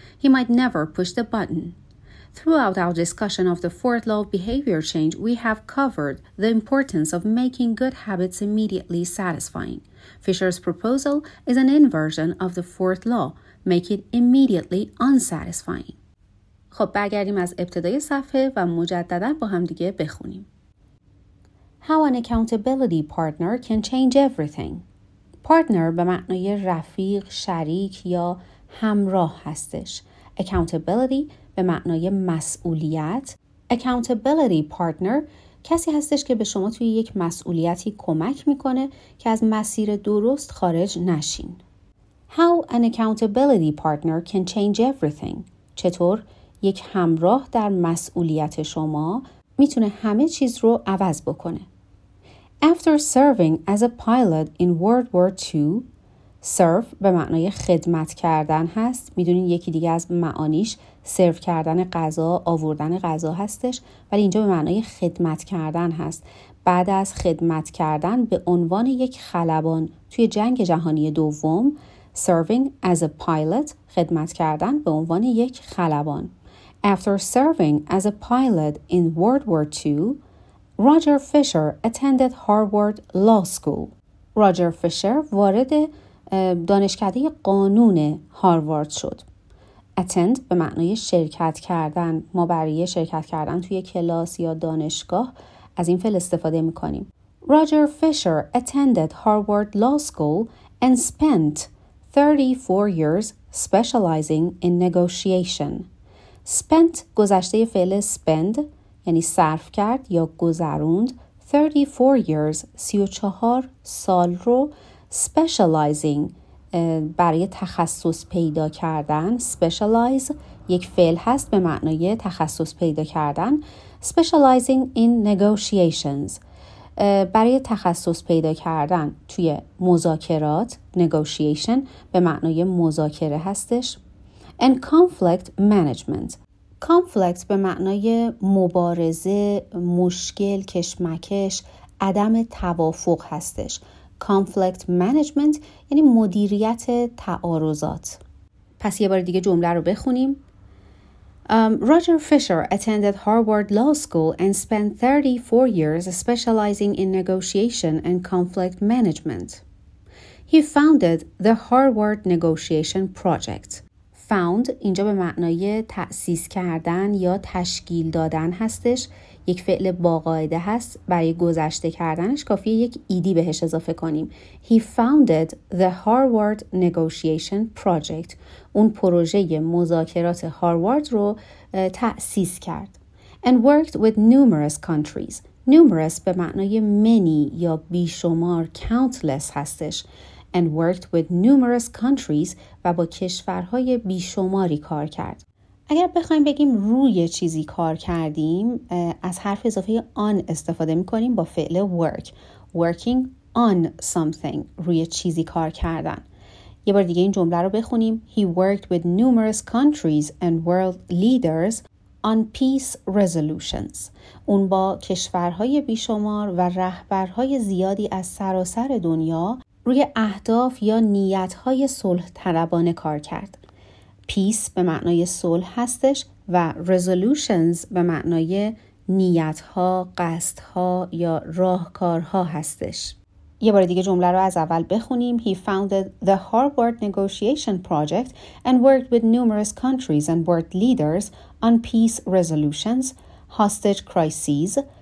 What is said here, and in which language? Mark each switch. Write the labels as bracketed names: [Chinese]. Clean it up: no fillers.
[English] He might never push the button. Throughout our discussion of the fourth law of behavior change, we have covered the importance of making good habits immediately satisfying. Fisher's proposal is an inversion of the fourth law, make it immediately unsatisfying. [Persian] خب برگردیم از ابتدای صفحه و مجددا با هم دیگه بخونیم. [English] How an accountability partner can change everything. [Persian] Partner به معنای رفیق، شریک یا همراه هستش. Accountability به معنای مسئولیت. Accountability partner کسی هستش که به شما توی یک مسئولیتی کمک میکنه که از مسیر درست خارج نشین. [English] How an accountability partner can change everything. [Persian] چطور یک همراه در مسئولیت شما میتونه همه چیز رو عوض بکنه. [English] After serving as a pilot in World War II, serve [Persian] به معنای خدمت کردن هست. میدونین یکی دیگه از معانیش سرو کردن غذا، آوردن غذا هستش. ولی اینجا به معنای خدمت کردن هست. بعد از خدمت کردن به عنوان یک خلبان توی جنگ جهانی دوم، [English] serving as a pilot، [Persian] خدمت کردن به عنوان یک خلبان. [English] After serving as a pilot in World War II, Roger Fisher attended Harvard Law School. [Persian] Roger Fisher وارد دانشکده قانون هاروارد شد. Attend به معنای شرکت کردن. ما برای شرکت کردن توی کلاس یا دانشگاه از این فعل استفاده می‌کنیم. [English] Roger Fisher attended Harvard Law School and spent 34 years specializing in negotiation. [Persian] Spent گذشته فعل spend یعنی صرف کرد یا گذروند [English] 34 years [Persian] 34 سال رو specializing برای تخصص پیدا کردن specialize یک فعل هست به معنای تخصص پیدا کردن [English] specializing in negotiations [Persian] برای تخصص پیدا کردن توی مذاکرات negotiation به معنای مذاکره هستش [English] and conflict management [Persian] کانفلیکت به معنای مبارزه، مشکل، کشمکش، عدم توافق هستش. کانفلیکت منیجمنت یعنی مدیریت تعارضات. پس یه بار دیگه جمله رو بخونیم. [English] Roger Fisher attended Harvard Law School and spent 34 years specializing in negotiation and conflict management. He founded the Harvard Negotiation Project. [Persian] Found اینجا به معنای تأسیس کردن یا تشکیل دادن هستش. یک فعل باقاعده هست. برای گذشته کردنش کافیه یک ایدی بهش اضافه کنیم. [English] He founded the Harvard Negotiation Project. [Persian] اون پروژه مذاکرات هاروارد رو تأسیس کرد. [English] And worked with numerous countries. [Persian] Numerous به معنای many یا بیشمار countless هستش. [English] And worked with numerous countries [Persian] و با کشورهای بیشماری کار کرد. اگر بخوایم بگیم روی چیزی کار کردیم، از حرف اضافه on استفاده می‌کنیم با فعل work. [English] Working on something، [Persian] روی چیزی کار کردن. یه بار دیگه این جمله رو بخونیم. [English] He worked with numerous countries and world leaders on peace resolutions. [Persian] اون با کشورهای بیشمار و رهبرهای زیادی از سراسر دنیا روی اهداف یا نیت‌های صلح طلبانه کار کرد. Peace به معنای صلح هستش و resolutions به معنای نیت‌ها، قصد‌ها یا راهکارها هستش. یه بار دیگه جمله رو از اول بخونیم. [English] He founded the Harvard Negotiation Project and worked with numerous countries and world leaders on peace resolutions, hostage crises.